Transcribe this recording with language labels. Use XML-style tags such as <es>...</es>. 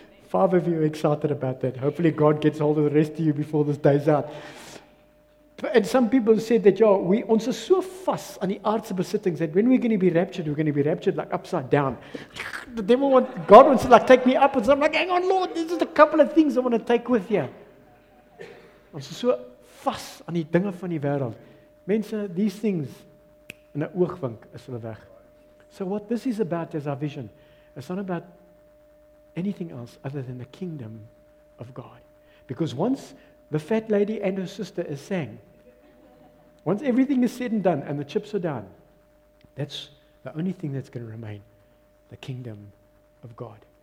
<en>Five of you are excited about that. Hopefully God gets hold of the rest of you before this day's out. And some people said that,</en> <af>ons is so vas aan die aardse besittings</af> <en>that when we're going to be raptured, we're going to be raptured like upside down. The devil wants, God wants to like take me up, and so I'm like, hang on Lord, there's just a couple of things I want to take with you.</en> <af>Ons is so vas aan die dinge van die wereld. Mense,</af> <en>these things,</en> <af>in 'n oogwink is hulle weg.</af> <en>So what this is about is our vision. It's not about anything else other than the kingdom of God. Because once the fat lady and her sister is sang, once everything is said and done and the chips are down, that's the only thing that's going to remain, the kingdom of God.</en>